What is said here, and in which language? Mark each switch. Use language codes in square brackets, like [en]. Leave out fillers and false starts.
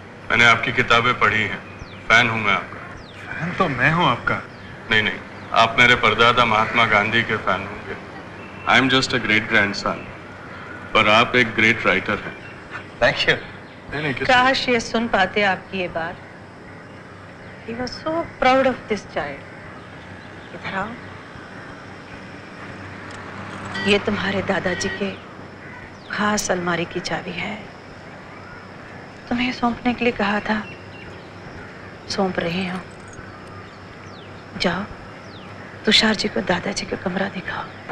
[hi] मैंने आपकी किताबें पढ़ी हैं, फैन हूं मैं आपका। फैन तो मैं हूं आपका। नहीं नहीं, आप मेरे परदादा महात्मा गांधी के फैन होंगे। [en] I am just a great grandson, [hi] पर आप एक ग्रेट राइटर हैं। Thank you. काश ये सुन पाते आपकी ये बात। [en] He was so proud of this child. [hi] इधर आओ। ये तुम्हारे दादाजी के खास अलमारी की चाबी है। तुम्हें सौंपने के लिए कहा था, सौंप रहे हो। जाओ तुषार जी को दादाजी का कमरा दिखाओ।